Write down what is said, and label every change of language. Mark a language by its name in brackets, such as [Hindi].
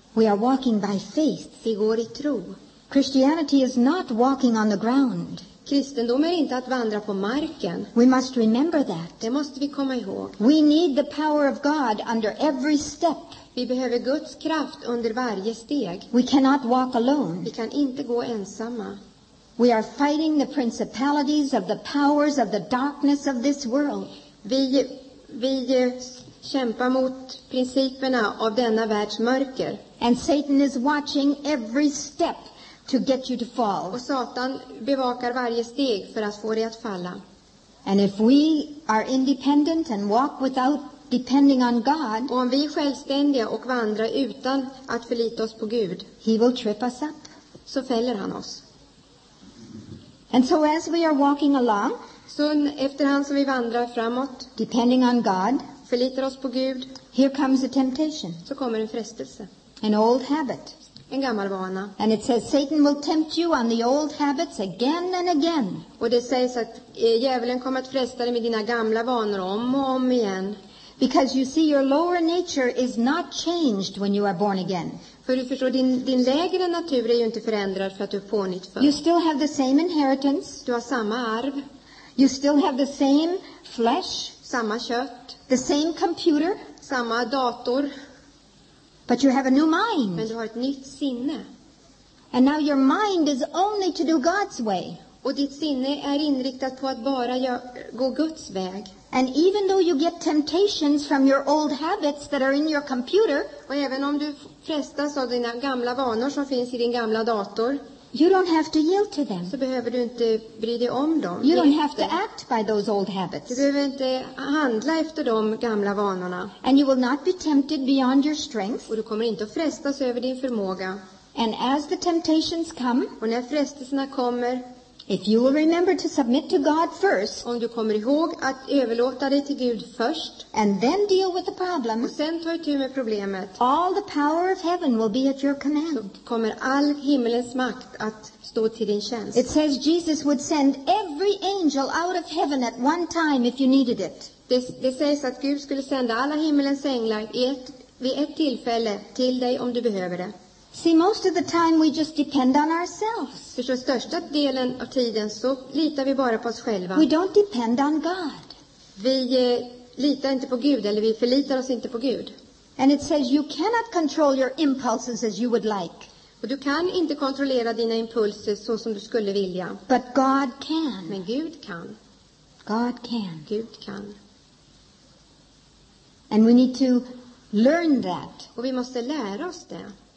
[English] We are walking by faith. [Swedish] Vi går i tro. [English] Christianity is not walking on the ground. [Swedish] Kristendom är inte att vandra på marken. [English] We must remember that. [Swedish] Det måste vi komma ihåg. [English] We need the power of God under every step. [Swedish] Vi behöver Guds kraft under varje steg. [English] We cannot walk alone. [Swedish] Vi kan inte gå ensamma. [English] We are fighting the principalities of the powers of the darkness of this world. [Swedish] Vi kämpar mot principerna av denna världs mörker. [English] And Satan is watching every step. To get you to fall. [Swedish] Och Satan bevakar varje steg för att få dig att falla. [English] And if we are independent and walk without depending on God, [Swedish] och om vi är självständiga och vandrar utan att förlita oss på Gud, [English] he will trip us up. [Swedish] Så fäller han oss. [English] And so as we are walking along, [Swedish] Så efterhand som vi vandrar framåt, [English] depending on God, [Swedish] förlitar oss på Gud. [English] Here comes a temptation. [Swedish] Så kommer en frestelse. [English] An old habit. [Swedish] En gammal vana. [English] And it says Satan will tempt you on the old habits again and again. [Swedish] Och det sägs att djävulen kommer att fresta dig med dina gamla vanor om och om igen. [English] Because you see your lower nature is not changed when you are born again. [Swedish] För du förstår, din lägre natur är ju inte förändrad för att du är pånytt född. [English] You still have the same inheritance. [Swedish] Du har samma arv. [English] You still have the same flesh. [Swedish] Samma kött. [English] The same computer. [Swedish] Samma dator. [English] But you have a new mind. [Swedish] Men du har ett nytt sinne. [English] And now your mind is only to do God's way. [Swedish] Och ditt sinne är inriktat på att bara gå Guds väg. [English] And even though you get temptations from your old habits that are in your computer, [Swedish] och även om du frestas av dina gamla vanor som finns i din gamla dator, [English] you don't have to yield to them. [Swedish] Så behöver du inte bry dig om dem. [English] You don't have to act by those old habits. [Swedish] Du behöver inte handla efter de gamla vanorna. [English] And you will not be tempted beyond your strength. [Swedish] Och du kommer inte att frestas över din förmåga. [English] And as the temptations come, [Swedish] och när frestelserna kommer, [English] if you will remember to submit to God first, [Swedish] om du kommer ihåg att överlåta dig till Gud först, [English] and then deal with the problem, [Swedish] och sen ta itu med problemet, [English] all the power of heaven will be at your command. [Swedish] Så kommer all himmelens makt att stå till din tjänst. [English] It says Jesus would send every angel out of heaven at one time if you needed it. [Swedish] Det sägs att Gud skulle sända alla himmelens änglar vid ett tillfälle till dig om du behöver det. [English] See, most of the time we just depend on ourselves. [Swedish] För den största delen av tiden så litar vi bara på oss själva. [English] We don't depend on God. [Swedish] Vi litar inte på Gud, eller vi förlitar oss inte på Gud. [English] And it says you cannot control your impulses as you would like. [Swedish] Och du kan inte kontrollera dina impulser så som du skulle vilja. [English] But God can. [Swedish] Men Gud kan. [English] God can. [Swedish] Gud kan. [English] And we need to learn that. [Swedish] Och vi måste lära oss det.